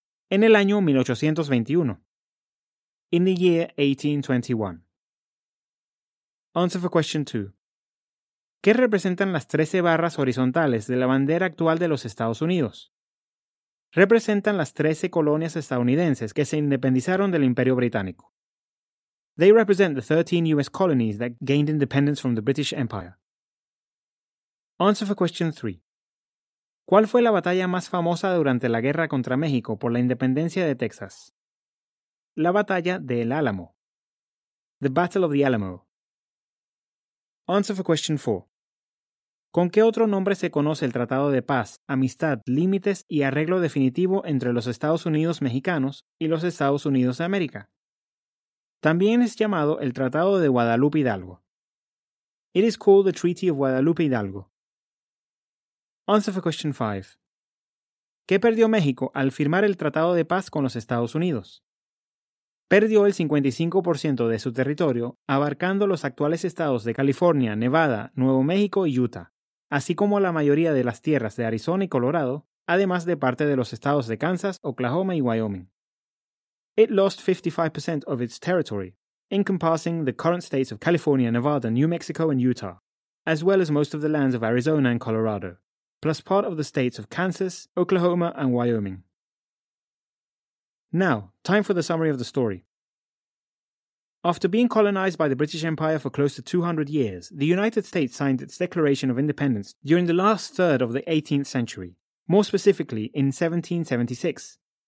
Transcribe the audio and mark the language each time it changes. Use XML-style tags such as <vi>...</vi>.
<es>En el año 1821.</es> <en>In the year 1821. Answer for question 2.</en> <es>¿Qué representan las 13 barras horizontales de la bandera actual de los Estados Unidos? Representan las 13 colonias estadounidenses que se independizaron del Imperio Británico.</es> <en>They represent the 13 US colonies that gained independence from the British Empire. Answer for question 3.</en> <es>¿Cuál fue la batalla más famosa durante la guerra contra México por la independencia de Texas? La batalla del Álamo.</es> <en>The Battle of the Alamo. Answer for question 4.</en> <es>¿Con qué otro nombre se conoce el Tratado de Paz, Amistad, Límites y Arreglo Definitivo entre los Estados Unidos Mexicanos y los Estados Unidos de América? También es llamado el Tratado de Guadalupe Hidalgo.</es> <en>It is called the Treaty of Guadalupe Hidalgo. Answer for question 5.</en> <es>¿Qué perdió México al firmar el Tratado de Paz con los Estados Unidos? Perdió el 55% de su territorio, abarcando los actuales estados de California, Nevada, Nuevo México y Utah, así como la mayoría de las tierras de Arizona y Colorado, además de parte de los estados de Kansas, Oklahoma y Wyoming.</es> <en>It lost 55% of its territory, encompassing the current states of California, Nevada, New Mexico and Utah, as well as most of the lands of Arizona and Colorado, plus part of the states of Kansas, Oklahoma and Wyoming. Now, time for the summary of the story. After being colonized by the British Empire for close to 200 years, the United States signed its Declaration of Independence during the last third of the 18th century, more specifically in 1776.</en>